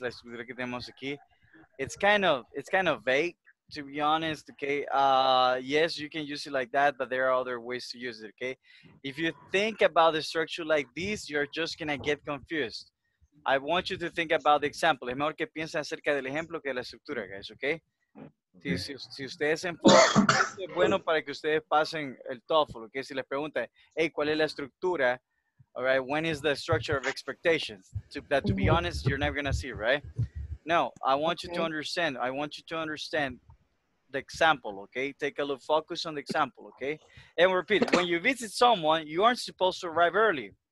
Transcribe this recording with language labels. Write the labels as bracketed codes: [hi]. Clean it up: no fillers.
[en] Let's look at them once again. It's kind of vague, to be honest, okay? Yes, you can use it like that, but there are other ways to use it, okay? If you think about the structure like this, you're just going to get confused. I want you to think about the example. [es] Es mejor que piensen acerca del ejemplo que de la estructura, [en] guys, okay? [es] Si ustedes enfocan, es bueno para que ustedes pasen el TOEFL, okay? Si les preguntan, hey, ¿cuál es la estructura? [en] All right, when is the structure of expectations? To be honest, you're never going to see, right? No, I want you to understand. I want you to understand the example, okay? Take a look, focus on the example, okay? And repeat, when you visit someone, you aren't supposed to arrive early.